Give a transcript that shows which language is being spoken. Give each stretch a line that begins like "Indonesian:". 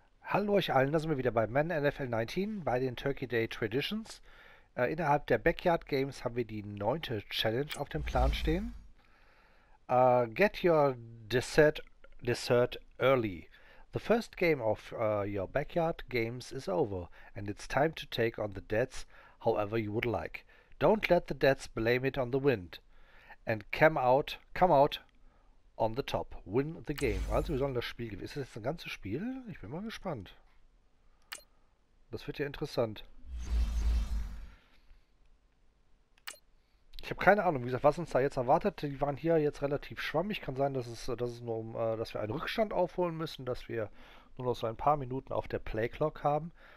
German: Hallo euch allen, da sind wir wieder bei Madden NFL 19, bei den Turkey Day Traditions. Innerhalb der Backyard Games haben wir die neunte Challenge auf dem Plan stehen.
English: Get your dessert early. The first game of your Backyard Games is over and it's time to take on the Dads however you would like. Don't let the Dads blame it on the wind and come out. On the top, win the game.
German: Also, wir sollen das Spiel gewinnen. Ist das jetzt ein ganzes Spiel? Ich bin mal gespannt. Das wird ja interessant. Ich habe keine Ahnung, wie gesagt, was uns da jetzt erwartet. Die waren hier jetzt relativ schwammig. Kann sein, dass es nur um, dass wir einen Rückstand aufholen müssen, dass wir nur noch so ein paar Minuten auf der Play Clock haben.